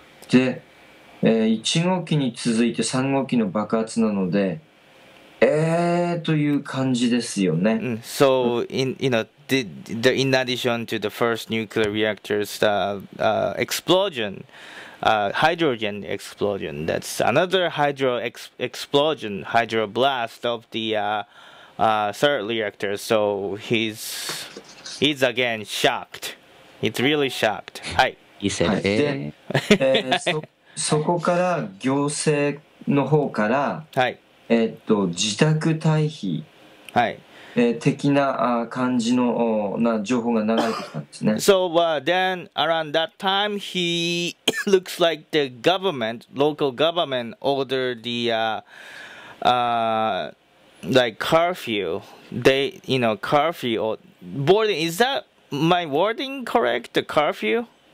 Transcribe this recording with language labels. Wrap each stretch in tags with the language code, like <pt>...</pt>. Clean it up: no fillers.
<ja>で、1号機に続いて3号機の爆発なので、という感じですよね。</ja> <en>So in, you know, the in addition to the first nuclear reactor's explosion, hydrogen explosion, that's another hydro explosion, hydro blast of the third reactor. So he's again shocked. He's really shocked. はい。 He said, "Hey."</en> <ja>そこから行政の方から。はい。自宅退避、はい、的な感じのな情報が流れてきたんですね。</ja> <en>So, then around that time, he looks like the government, local government, ordered the like curfew. They, you know, curfew or boarding. Is that my wording correct? The curfew?</en>